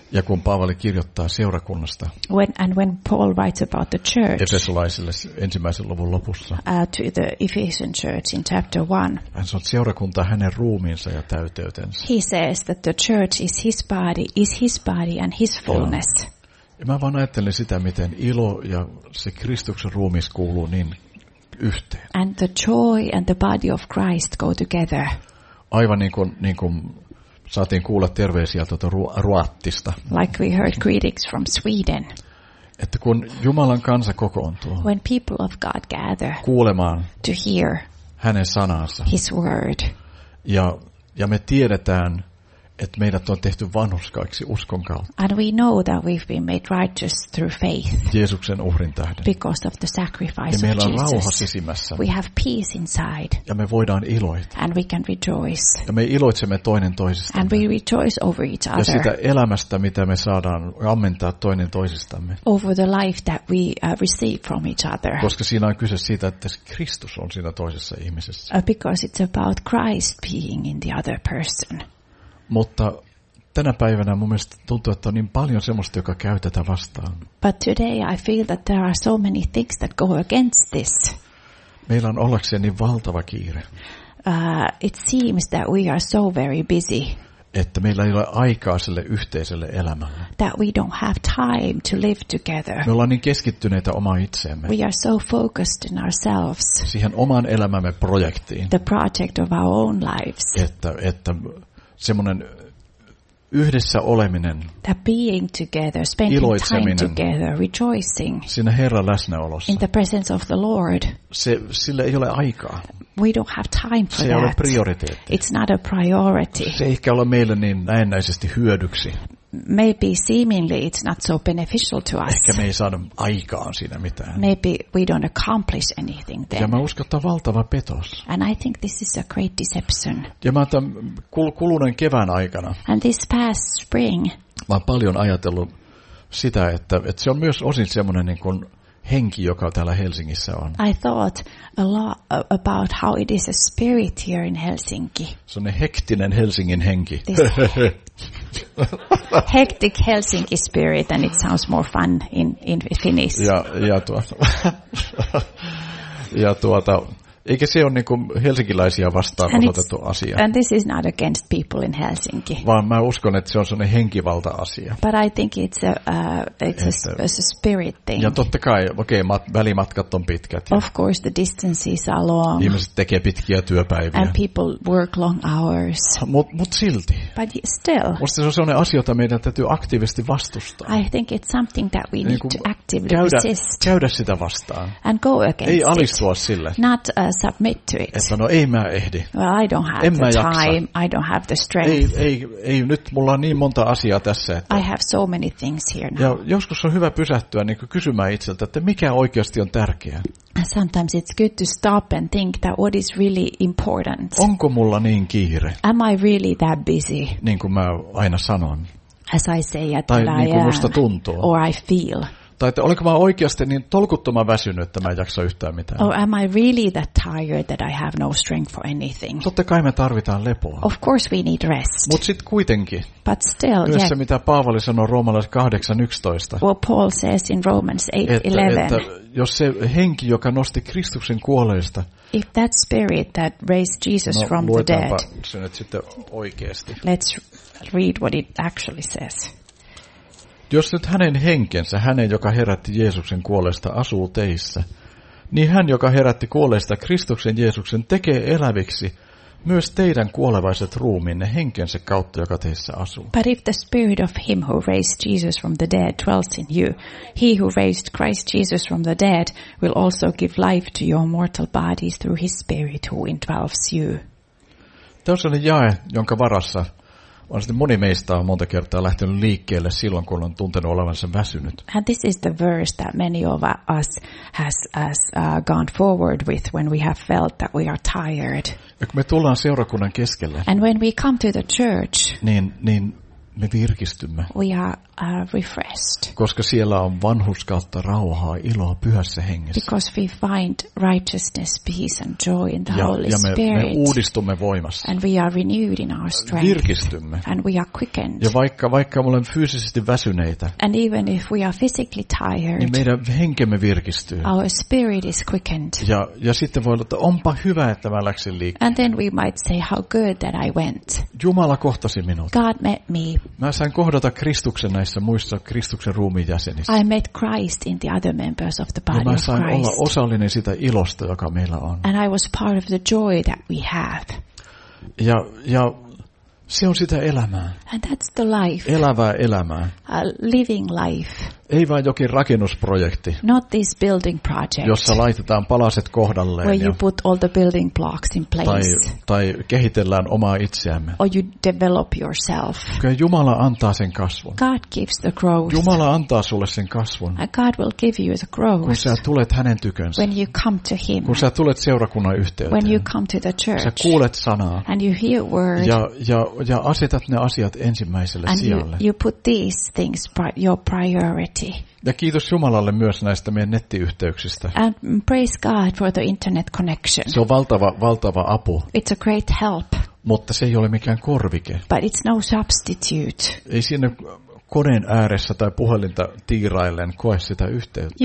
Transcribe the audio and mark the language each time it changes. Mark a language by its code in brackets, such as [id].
[fi] Ja kun Paavali kirjoittaa seurakunnasta. [en] When Paul writes about the church. [fi] Efesolaisille ensimmäisen luvun lopussa. [en] To the Ephesian church in chapter 1. [fi] Hän sanoo, seurakunta hänen ruumiinsa ja täyteytensä. [en] He says that the church is his body and his fullness. [fi] Ja mä vaan ajattelen sitä, miten ilo ja se Kristuksen ruumis kuuluu niin yhteen. [en] And the joy and the body of Christ go together. [fi] Aivan niin kuin saatiin kuulla terveisiä tuota Ruotsista. [en] Like we heard greetings from Sweden. [fi] Että kun Jumalan kansa kokoontuu. [en] When people of God gather. [fi] Kuulemaan. [en] To hear. [fi] Hänen sanansa. [en] His word. [fi] Ja me tiedetään, että meidät on tehty vanhurskaiksi uskon kautta. [en] And we know that we've been made righteous through faith. [fi] Jeesuksen uhrin tähden. [en] Because of the sacrifice of Jesus. [fi] Ja meillä on rauha sisimmässä. [en] We have peace inside. [fi] Ja me voidaan iloita. [en] And we can rejoice. [fi] Ja me iloitsemme toinen toisistamme. [en] And we rejoice over each other. [fi] Ja sitä elämästä, mitä me saadaan ammentaa toinen toisistamme. [en] Over the life that we receive from each other. [fi] Koska siinä on kyse siitä, että Kristus on siinä toisessa ihmisessä. [en] Because it's about Christ being in the other person. [fi] Mutta tänä päivänä mun mielestä tuntuu, että on niin paljon semmoista, joka käy tätä vastaan. [en] But today I feel that there are so many things that go against this. [fi] Meillä on ollakseen niin valtava kiire. [en] It seems that we are so very busy. [fi] Että meillä ei ole aikaa sille yhteiselle elämälle. [en] That we don't have time to live together. [fi] Me ollaan niin keskittyneitä omaan itseemme. [en] We are so focused in ourselves. [fi] Siihen oman elämämme projektiin. [en] The project of our own lives. [fi] Että semmoinen yhdessä oleminen, [en] that being together, spending time together, rejoicing, [fi] siinä Herran läsnäolossa, [en] in the presence of the Lord, [fi] sille ei ole aikaa. [en] We don't have time for [fi] se Ei ole prioriteetti. [en] It's not a priority. [fi] Se ei ehkä ole meille niin näennäisesti hyödyksi. [en] Maybe seemingly it's not so beneficial to us. [fi] Ehkä me ei saada aikaan siinä mitään. [en] Maybe we don't accomplish anything then. [fi] Ja mä uskon, että on valtava petos. [en] And I think this is a great deception. [fi] Ja mä tämän kuluneen kevään aikana. [en] And this past spring. [fi] Mä oon paljon ajatellut sitä, että se on myös osin semmoinen niin kuin henki, joka täällä Helsingissä on. [en] I thought a lot about how it is a spirit here in Helsinki. [fi] Se on hektinen Helsingin henki. [en] Hectic Helsinki spirit, and it sounds more fun in Finnish. [fi] Ja tuota, eikä se ole niin kuin helsinkiläisiä vastaan osoitettu asia. [en] And this is not against people in Helsinki. [fi] Vaan mä uskon, että se on sellainen henkivalta-asia. [en] But I think it's a spirit thing. [fi] Ja totta kai, välimatkat on pitkät. [en] Of course the distances are long. [fi] Ihmiset tekee pitkiä työpäiviä. [en] And people work long hours. [fi] Mut silti. [en] But still. [fi] Musta se on sellainen asia, jota meidän täytyy aktiivisesti vastustaa. [en] I think it's something that we need to actively resist. [fi] Käydä sitä vastaan. [en] And go against it. [fi] Ei alistua sille. [en] Not submit to it. [fi] Että no ei mä ehdi. [en] Well, I don't have [fi] en [en] the [fi] jaksa. [en] Time. I don't have the strength. [fi] Ei nyt mulla on niin monta asiaa tässä, että [en] I have so many things here now. [fi] Ja joskus on hyvä pysähtyä niin kuin kysymään itseltä, että mikä oikeasti on tärkeää. [en] Sometimes it's good to stop and think that what is really important. [fi] Onko mulla niin kiire? [en] Am I really that busy? [fi] Niin kuin mä aina sanon. [en] As I say, that [fi] tai [en] I [fi] niin kuin [en] am, [fi] musta tuntuu. [en] Or I feel. [fi] Tai että olenko mä oikeasti niin tolkuttoman väsynyt, että mä en jaksa yhtään mitään. [en] Oh, am I really that tired that I have no strength for anything? [fi] Totta kai me tarvitaan lepoa. [en] Of course we need rest. [fi] Mut sit kuitenkin. [en] But still, yet. [fi] Kyllä se, mitä Paavali sanoo Roomalaiskirjeen 8:11. [en] What Paul says in Romans 8:11. [fi] Että jos se henki, joka nosti Kristuksen kuolleista. [en] If that spirit that raised Jesus [fi] no, [en] from the dead. [fi] No, luetaanpa se nyt sitten oikeasti. [en] Let's read what it actually says. [fi] Jos nyt hänen henkensä, hänen, joka herätti Jeesuksen kuolleista, asuu teissä, niin hän, joka herätti kuolleista Kristuksen Jeesuksen, tekee eläviksi myös teidän kuolevaiset ruumiinne henkensä kautta, joka teissä asuu. [en] But if the spirit of him who raised Jesus from the dead dwells in you, he who raised Christ Jesus from the dead will also give life to your mortal bodies through his spirit who indwells you. [fi] Tämä on sellainen jae, jonka varassa moni meistä on monta kertaa lähtenyt liikkeelle silloin, kun on tuntenut olevansa väsynyt. [en] And this is the verse that many of us has gone forward with when we have felt that we are tired. [fi] Ja kun me tullaan seurakunnan keskelle. [en] And when we come to the church. [fi] Niin me virkistymme. [en] We are refreshed. [fi] Koska siellä on vanhurskautta, rauhaa, iloa Pyhässä Hengessä. [en] Because we find righteousness, peace and joy in the Holy Spirit. [fi] Ja me uudistumme voimassa. [en] And we are renewed in our strength. [fi] Virkistymme. [en] And we are quickened. [fi] Ja vaikka me olemme fyysisesti väsyneitä. [en] And even if we are physically tired. [fi] Niin meidän henkemme virkistyy. [en] Our spirit is quickened. [fi] Ja sitten voi olla, että onpa hyvä, että mä läksin liikkeelle. [en] And then we might say how good that I went. [fi] Jumala kohtasi minut. [en] God met me. [fi] Mä sain kohdata Kristuksen näissä muissa Kristuksen ruumiin jäsenissä. [en] I met Christ in the other members of the body of Christ. [fi] Ja mä sain olla osallinen sitä ilosta, joka meillä on. [en] And I was part of the joy that we have. [fi] Ja se on sitä elämää. [en] And that's the life. [fi] Elävää elämää. [en] A living life. [fi] Ei vaan jokin rakennusprojekti. [en] Not this building project. [fi] Jossa laitetaan palaset kohdalleen. [en] Where you put all the building blocks in place. [fi] Tai kehitellään omaa itseämme. [en] Or you develop yourself. [fi] Okay, Jumala antaa sen kasvun. [en] God gives the growth. [fi] Jumala antaa sulle sen kasvun. [en] And God will give you the growth. [fi] Kun sä tulet hänen tykönsä. [en] When you come to him. [fi] Kun sä tulet seurakunnan yhteyteen. [en] When you come to the church. [fi] Sä kuulet sanaa. [en] And you hear word. [fi] Ja asetat ne asiat ensimmäiselle [en] and [fi] sijalle. [en] And you put these things your priority. [fi] Ja kiitos Jumalalle myös näistä meidän nettiyhteyksistä. [en] And praise God for the internet connection. [fi] Se on valtava apu. [en] It's a great help. [fi] Mutta se ei ole mikään korvike. [en] But it's no substitute. [fi] Ei siinä koneen ääressä tai puhelinta tiirailen koe sitä yhteyttä.